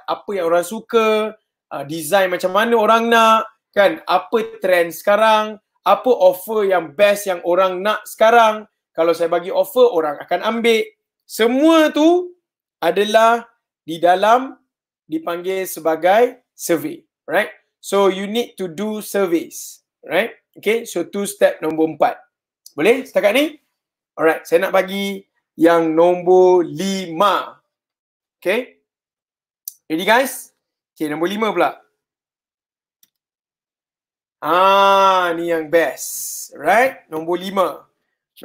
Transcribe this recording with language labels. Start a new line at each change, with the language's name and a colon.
Malay: Apa yang orang suka, design macam mana orang nak, kan? Apa trend sekarang, apa offer yang best yang orang nak sekarang. Kalau saya bagi offer, orang akan ambil. Semua tu adalah di dalam, dipanggil sebagai survey, right?
English: So you need to do surveys, right?
Malay: Okay, so two step nombor 4. Boleh setakat ni? Alright, saya nak bagi yang nombor 5. Okay, ready guys? Okay, nombor 5 pula. Ni yang best, right? Nombor 5.